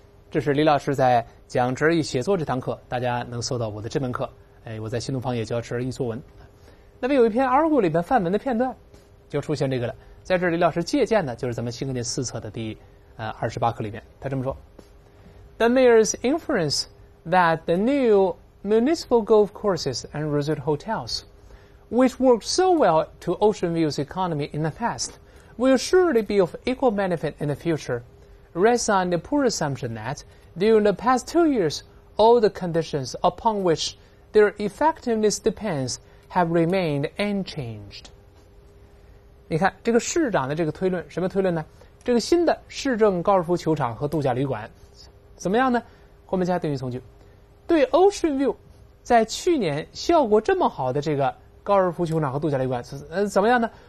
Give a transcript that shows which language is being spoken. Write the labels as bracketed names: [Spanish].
[Chinese] 这是李老师在讲直译写作这堂课，大家能搜到我的这门课，我在新东方也教直译作文。那么有一篇 Argo 里面范文的片段就出现这个了，在这李老师借鉴的就是咱们新课件四册的第28课里面，他这么说。 [English] The mayor's inference that the new municipal golf courses and resort hotels, which worked so well to Ocean View's economy in the past, will surely be of equal benefit in the future, rests on the poor assumption that during the past 2 years, all the conditions upon which their effectiveness depends have remained unchanged. [Chinese] 你看，这个市长的这个推论，什么推论呢？这个新的市政高尔夫球场和度假旅馆怎么样呢？后面加定语从句，对 Ocean View 在去年效果这么好的这个高尔夫球场和度假旅馆怎么样呢？